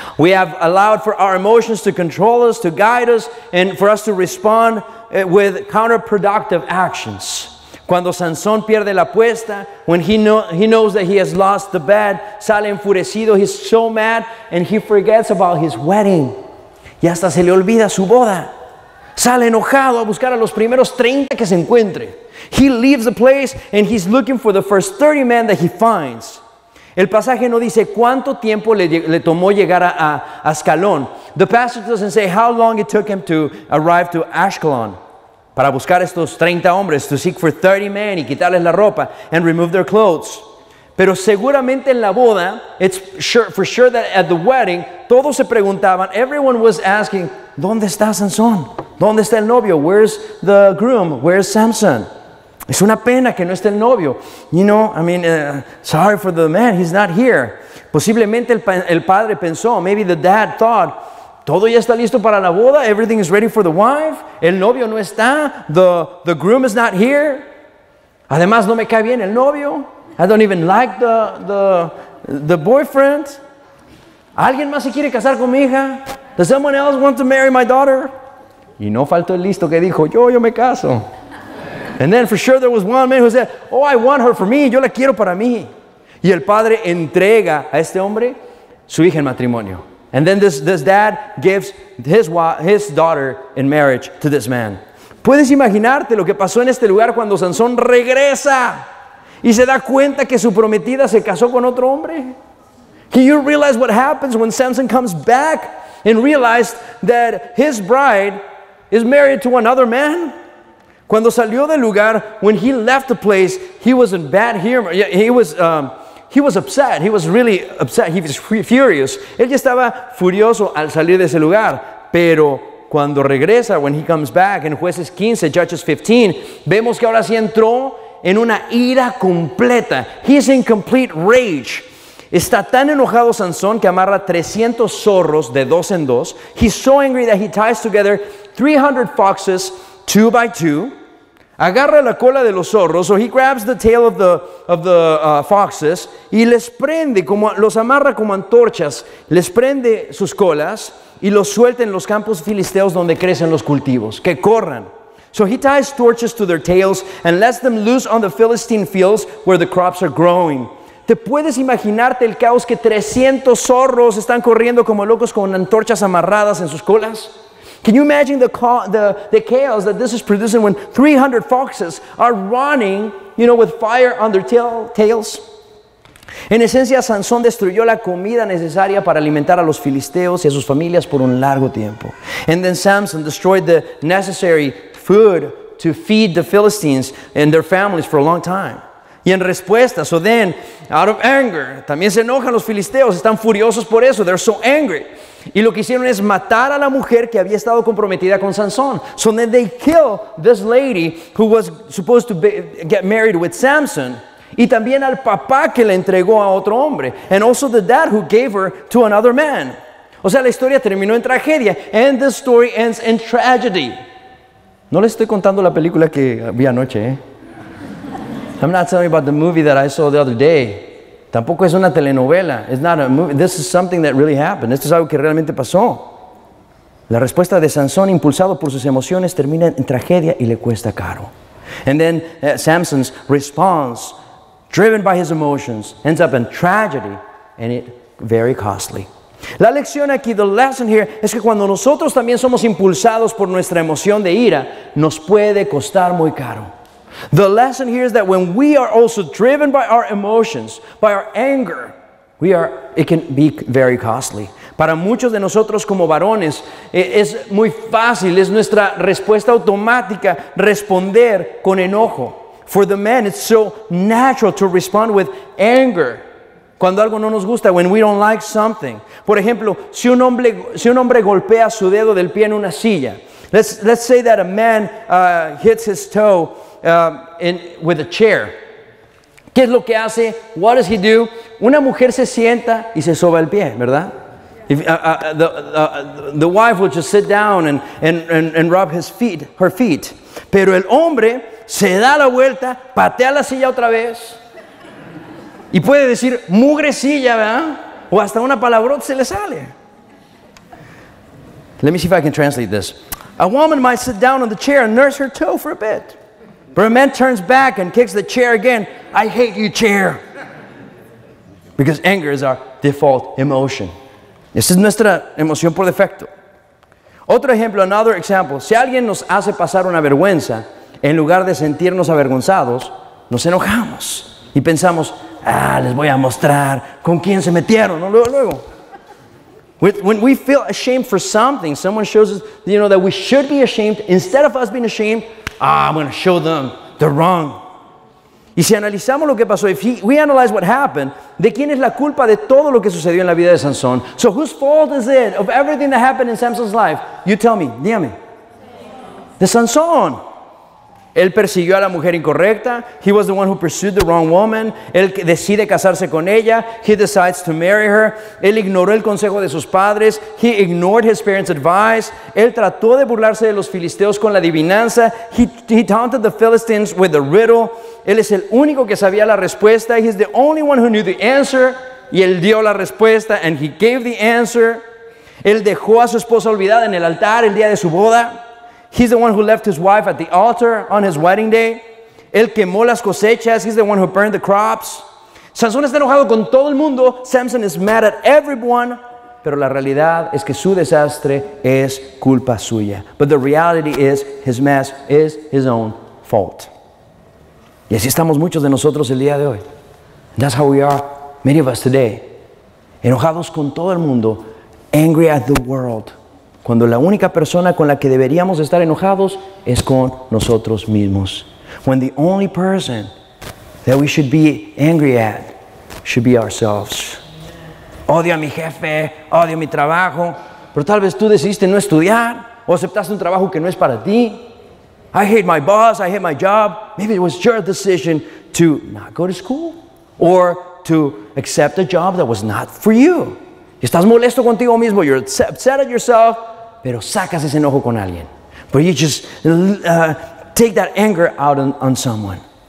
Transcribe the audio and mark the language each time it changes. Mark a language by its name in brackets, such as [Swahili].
[English] We have allowed for our emotions to control us, to guide us, and for us to respond with counterproductive actions. [Spanish] Cuando Sansón pierde la apuesta, [English] when he knows that he has lost the bet, [Spanish] sale enfurecido, [English] he's so mad, and he forgets about his wedding. [Spanish] Y hasta se le olvida su boda. Sale enojado a buscar a los primeros 30 que se encuentre. [English] He leaves the place and he's looking for the first 30 men that he finds. [Spanish] El pasaje no dice cuánto tiempo le tomó llegar a Ascalón. [English] The passage doesn't say how long it took him to arrive to Ascalon. [Spanish] Para buscar estos 30 hombres, [English] to seek for 30 men [Spanish] y quitarles la ropa [English] and remove their clothes. [Spanish] Pero seguramente en la boda, [English] it's sure, for sure that at the wedding, [Spanish] todos se preguntaban, [English] everyone was asking, [Spanish] ¿dónde está Sansón? ¿Dónde está el novio? [English] Where's the groom? Where's Samson? [Spanish] Es una pena que no esté el novio. [English] You know, I mean, sorry for the man, he's not here. [Spanish] Posiblemente el padre pensó, [English] maybe the dad thought, [Spanish] ¿todo ya está listo para la boda? [English] Everything is ready for the wife. [Spanish] El novio no está. [English] The groom is not here. [Spanish] Además, no me cae bien el novio. [English] I don't even like the boyfriend. [Spanish] ¿Alguien más se quiere casar con mi hija? [English] Does someone else want to marry my daughter? [Spanish] Y no faltó el listo que dijo, yo me caso. [English] And then for sure there was one man who said, oh, I want her for me. [Spanish] Yo la quiero para mí. Y el padre entrega a este hombre su hija en matrimonio. [English] And then this dad gives his daughter in marriage to this man. [Spanish] ¿Puedes imaginarte lo que pasó en este lugar cuando Sansón regresa y se da cuenta que su prometida se casó con otro hombre? [English] Can you realize what happens when Samson comes back and realized that his bride is married to another man? [Spanish] Cuando salió del lugar, [English] when he left the place, he was in bad humor. He was upset. He was really upset. He was furious. [Spanish] Él ya estaba furioso al salir de ese lugar. Pero cuando regresa, [English] when he comes back, [Spanish] en Jueces 15, [English] Judges 15, [Spanish] vemos que ahora sí entró en una ira completa. [English] He's in complete rage. [Spanish] Está tan enojado Sansón que amarra 300 zorros de dos en dos. [English] He's so angry that he ties together 300 foxes, two by two. [Spanish] Agarra la cola de los zorros, [English] so he grabs the tail of the foxes, [Spanish] y les prende, como los amarra como antorchas, les prende sus colas, y los suelta en los campos filisteos donde crecen los cultivos, que corran. [English] So he ties torches to their tails and lets them loose on the Philistine fields where the crops are growing. [Spanish] ¿Te puedes imaginarte el caos que 300 zorros están corriendo como locos con antorchas amarradas en sus colas? [English] Can you imagine the chaos that this is producing when 300 foxes are running, you know, with fire on their tails? [Spanish] En esencia, Sansón destruyó la comida necesaria para alimentar a los filisteos y a sus familias por un largo tiempo. [English] And then Samson destroyed the necessary food to feed the Philistines and their families for a long time. [Spanish] Y en respuesta, [English] so then, out of anger, [Spanish] también se enojan los filisteos, están furiosos por eso, [English] they're so angry. [Spanish] Y lo que hicieron es matar a la mujer que había estado comprometida con Sansón. [English] So then they kill this lady who was supposed to get married with Samson. [Spanish] Y también al papá que le entregó a otro hombre. [English] And also the dad who gave her to another man. [Spanish] O sea, la historia terminó en tragedia. [English] And the story ends in tragedy. [Spanish] No le estoy contando la película que vi anoche, ¿eh? [English] I'm not telling you about the movie that I saw the other day. [Spanish] Tampoco es una telenovela. [English] It's not a movie. This is something that really happened. [Spanish] Esto es algo que realmente pasó. La respuesta de Sansón, impulsado por sus emociones, termina en tragedia y le cuesta caro. [English] And then Samson's response, driven by his emotions, ends up in tragedy and it very costly. [Spanish] La lección aquí, [English] the lesson here, [Spanish] es que cuando nosotros también somos impulsados por nuestra emoción de ira, nos puede costar muy caro. [English] The lesson here is that when we are also driven by our emotions, by our anger, it can be very costly. [Spanish] Para muchos de nosotros como varones, es muy fácil, es nuestra respuesta automática responder con enojo. [English] For the men, it's so natural to respond with anger. [Spanish] Cuando algo no nos gusta, [English] when we don't like something. [Spanish] Por ejemplo, si un hombre golpea su dedo del pie en una silla, [English] let's say that a man hits his toe with a chair. [Spanish] ¿Qué es lo que hace? [English] What does he do? [Spanish] Una mujer se sienta y se soba el pie, ¿verdad? [English] The wife will just sit down and rub her feet. [Spanish] Pero el hombre se da la vuelta, patea la silla otra vez y puede decir mugre silla, ¿verdad? O hasta una palabrota se le sale. [English] Let me see if I can translate this. A woman might sit down on the chair and nurse her toe for a bit. But a man turns back and kicks the chair again. I hate you, chair. Because anger is our default emotion. [Spanish] Esa es nuestra emoción por defecto. Otro ejemplo, [English] another example. [Spanish] Si alguien nos hace pasar una vergüenza, en lugar de sentirnos avergonzados, nos enojamos y pensamos, ah, les voy a mostrar con quién se metieron, ¿no? Luego. [English] When we feel ashamed for something, someone shows us, you know, that we should be ashamed, instead of us being ashamed, ah, I'm going to show them the wrong. [Spanish] Y si analizamos lo que pasó, [English] if we analyze what happened, [Spanish] ¿de quién es la culpa de todo lo que sucedió en la vida de Sansón? [English] So whose fault is it of everything that happened in Samson's life? You tell me, [Spanish] dígame. De Sansón. Él persiguió a la mujer incorrecta. [English] He was the one who pursued the wrong woman. [Spanish] Él decide casarse con ella. [English] He decides to marry her. [Spanish] Él ignoró el consejo de sus padres. [English] He ignored his parents' advice. [Spanish] Él trató de burlarse de los filisteos con la adivinanza. [English] He taunted the Philistines with the riddle. [Spanish] Él es el único que sabía la respuesta. He's the only one who knew the answer. Y él dio la respuesta. [English] And he gave the answer. [Spanish] Él dejó a su esposa olvidada en el altar el día de su boda. [English] He's the one who left his wife at the altar on his wedding day. [Spanish] Él quemó las cosechas. [English] He's the one who burned the crops. [Spanish] Sansón está enojado con todo el mundo. [English] Samson is mad at everyone. [Spanish] Pero la realidad es que su desastre es culpa suya. [English] But the reality is his mess is his own fault. [Spanish] Y así estamos muchos de nosotros el día de hoy. [English] That's how we are, many of us today. [Spanish] Enojados con todo el mundo. [English] Angry at the world. [Spanish] Cuando la única persona con la que deberíamos estar enojados es con nosotros mismos. [English] When the only person that we should be angry at should be ourselves. [Spanish] Odio a mi jefe, odio mi trabajo. Pero tal vez tú decidiste no estudiar o aceptaste un trabajo que no es para ti. [English] I hate my boss, I hate my job. Maybe it was your decision to not go to school or to accept a job that was not for you. [Spanish] Estás molesto contigo mismo. [English] You're upset at yourself. [Spanish] Pero sacas ese enojo con alguien. [English] But you just take that anger out on someone.